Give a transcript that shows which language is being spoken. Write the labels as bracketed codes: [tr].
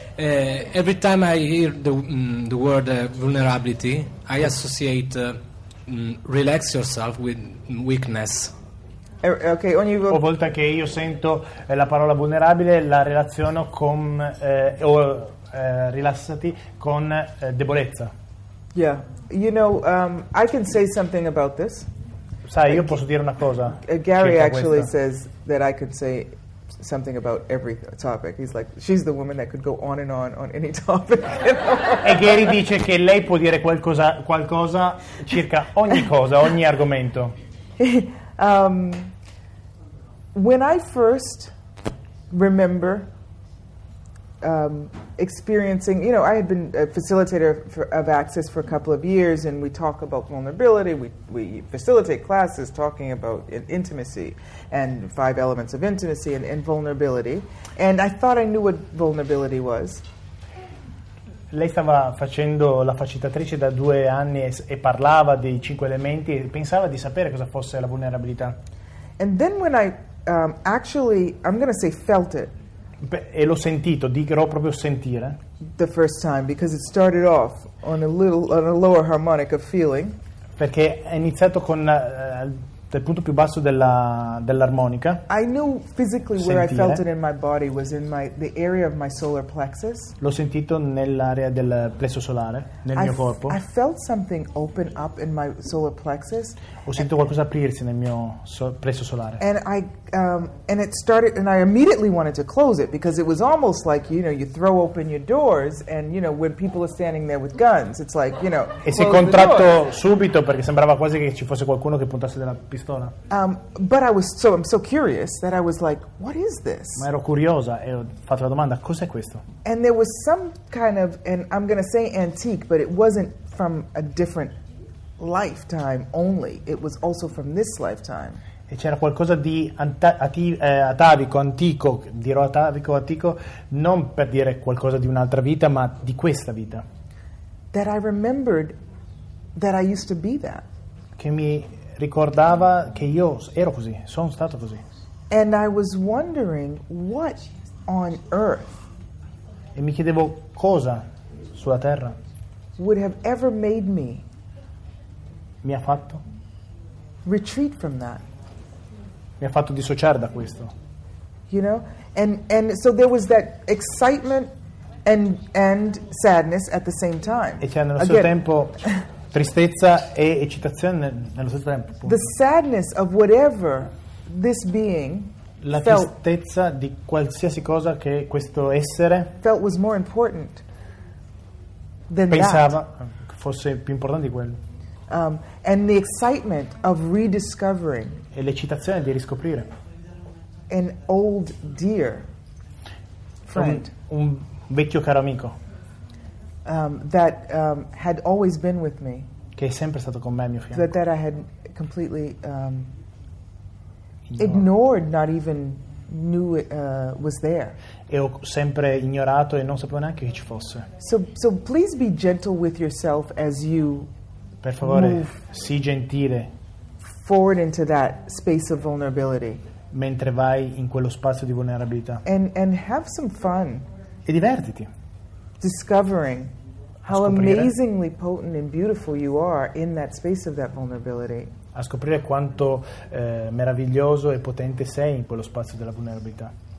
[en] Every time I hear the word vulnerability, I associate relax yourself with weakness. [it] Okay, ogni volta che io sento la parola vulnerabile, la relaziono con rilassati con debolezza. [en] Yeah, you know, I can say something about this. [it] Sai, io posso dire una cosa. [en] Gary actually says that I could say something about every topic. He's like, she's the woman that could go on any topic. [it] E Gary dice che lei può dire qualcosa circa ogni cosa, ogni argomento. [en] When I first remember experiencing, you know, I had been a facilitator of Access for a couple of years, and we talk about vulnerability. We facilitate classes talking about intimacy and five elements of intimacy and vulnerability. And I thought I knew what vulnerability was. [it] Lei stava facendo la facilitatrice da 2 anni e parlava dei 5 elementi e pensava di sapere cosa fosse la vulnerabilità. [en] And then when I actually, I'm going to say felt it. [it] E l'ho sentito, dirò proprio sentire. [en] The first time, because it started off on a lower harmonic of feeling. [it] Perché è iniziato con il punto più basso dell'armonica. [en] I knew physically where I felt it in my body was in the area of my solar plexus. [it] L'ho sentito nell'area del plesso solare, mio corpo. [en] I felt something open up in my solar plexus. [it] Ho sentito qualcosa aprirsi nel mio plesso solare. [en] And I and it started and I immediately wanted to close it because it was almost like, you know, you throw open your doors and, you know, when people are standing there with guns, it's like, you know, [it] e si è contratto subito perché sembrava quasi che ci fosse qualcuno che puntasse della pistola. [en] But I was I'm so curious that I was like, what is this? [it] Ma ero curiosa e ho fatto la domanda, cos'è questo? [en] And there was some kind of, and I'm going to say antique, but it wasn't from a different lifetime only, it was also from this lifetime. [it] E c'era qualcosa di atavico, antico, dirò atavico, antico, non per dire qualcosa di un'altra vita, ma di questa vita. [en] That I remembered that I used to be that. [it] che mi ricordava che io ero così, sono stato così. [en] And I was wondering what on earth. [it] E mi chiedevo cosa sulla terra [en] would have ever made me. [it] Mi ha fatto [en] retreat from that. [it] Mi ha fatto dissociare da questo. [en] You know, and so there was that excitement and sadness at the same time. [it] E c'è nello stesso tempo tristezza e eccitazione nello stesso tempo. [en] The sadness of whatever this being [it] la tristezza di qualsiasi cosa che questo essere [en] felt was more important than [it] pensava [en] that. [it] Fosse più importante di quello. [en] And the excitement of rediscovering [it] e l'eccitazione di riscoprire [en] an old dear friend, [it] un vecchio caro amico [en] that had always been with me, [it] che è sempre stato con me, mio fianco, [en] that I had completely ignored, not even knew it was there. [it] E ho sempre ignorato e non sapevo neanche che ci fosse. [en] So please be gentle with yourself as you [it] per favore sii gentile [en] forward into that space of vulnerability [it] mentre vai in quello spazio di vulnerabilità. [en] And have some fun. [it] E divertiti [en] discovering how amazingly potent and beautiful you are in that space of that vulnerability. [it] A scoprire quanto meraviglioso e potente sei in quello spazio della vulnerabilità.